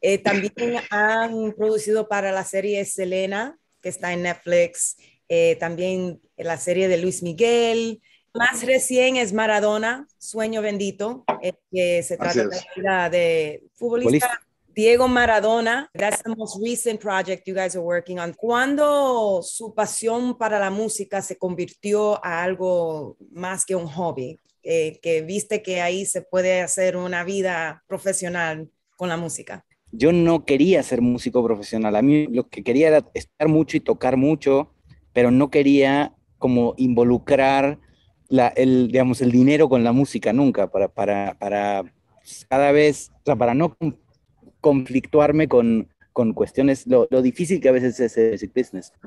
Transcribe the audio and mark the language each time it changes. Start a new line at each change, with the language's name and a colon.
Spanish: También han producido para la serie Selena, que está en Netflix. También la serie de Luis Miguel. Más recién es Maradona, Sueño Bendito, que se trata de la vida de futbolista Diego Maradona.
English: That's the most recent project you guys are working on.
Spanish: ¿Cuándo su pasión para la música se convirtió a algo más que un hobby? Que viste que ahí se puede hacer una vida profesional con la música. Yo no quería ser músico profesional. A mí lo que quería era estar mucho y tocar mucho, pero no quería como involucrar el dinero con la música nunca, para cada vez, o sea, para no conflictuarme con cuestiones, lo difícil que a veces es el music business.